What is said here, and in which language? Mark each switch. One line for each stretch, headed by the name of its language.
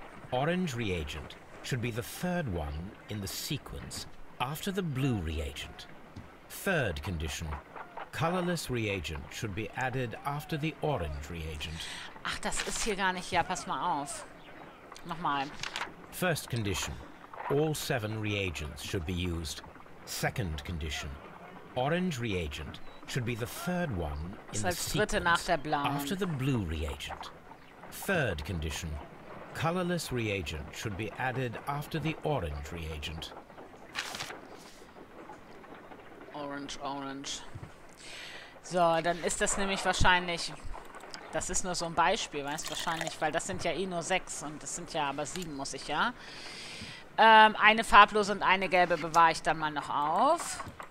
English: Orange reagent should be the third one in the sequence after the blue reagent. Third condition, colorless reagent should be added after the orange reagent.
German: Ach, das ist hier gar nicht. Ja, pass mal auf. Nochmal.
English: First condition, all 7 reagents should be used. Second condition, orange reagent should be the third one in the sequence after the blue reagent. Third condition, colorless reagent should be added after the orange reagent. Orange.
German: So, dann ist das nämlich wahrscheinlich, das ist nur so ein Beispiel, weißt du, wahrscheinlich, weil das sind ja eh nur 6 und das sind ja aber 7, muss ich ja. Eine farblose und eine gelbe bewahre ich dann mal noch auf.